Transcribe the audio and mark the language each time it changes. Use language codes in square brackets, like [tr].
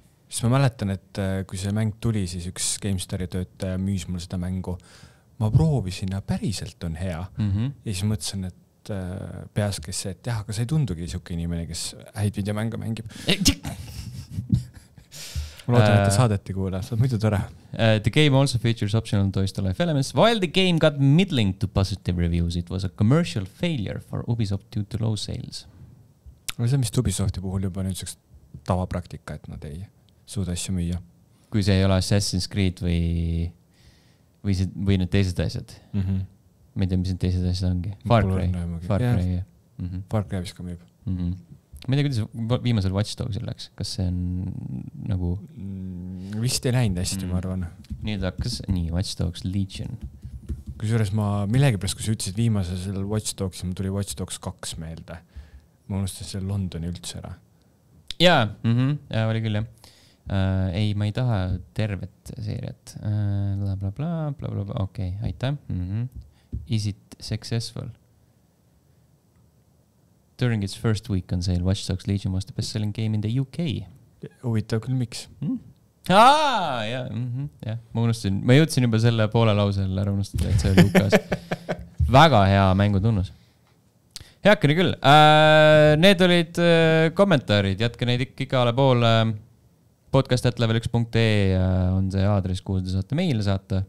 [et] Siis ma mäletan, et kui see mäng tuli, siis üks GameStar töötaja müüs mul seda mängu. Ma proovisin ja päriselt on hea. Mm-hmm. Ja siis mõtlesin, et peas kes see, et jah, aga see ei tundugi siuke inimene, kes häid videomängu mängib. Ma loodan, et ta saadeti kuule. See on muidu tore. [en] The game also features optional toys to life elements. While the game got middling to positive reviews, it was a commercial failure for Ubisoft due to low sales. [et] Aga see, mis Ubisofti puhul juba nüüd üks tavapraktika, et nad ei... suuda asju müüa. Kui see ei ole Assassin's Creed või need teised asjad. Mm-hmm. Ma ei tea, mis need teised asjad ongi. Far Cry. Mm-hmm. Far Cry vist ka müüb. Mm-hmm. Ma ei tea, kuidas viimasel Watch Dogs läks. Kas see on nagu... Vist ei läinud hästi, ma arvan. Nii, Watch Dogs Legion. Kus juures ma millegi pärast, kui sa ütlesid viimasel Watch Dogs, ma tuli Watch Dogs 2 meelde. Ma unustan selle Londoni üldse ära. Jaa, mm-hmm. Oli küll jah. Ei, ma ei taha tervet seeriat. [en] Okei, aitäh. Is it successful? During its first week on sale, Watch Dogs Legion was the best selling game in the UK. [et] Huvitav küll miks. Ma unustasin. Ma jõudsin juba selle poole lausel ära unustada, et see on Lukas. Väga hea mängu tunnus. Heakene küll. Need olid kommentaarid. Jätke neid ikka igale poole... podcast@level1.ee on see aadress, kuhu te saate meile saata.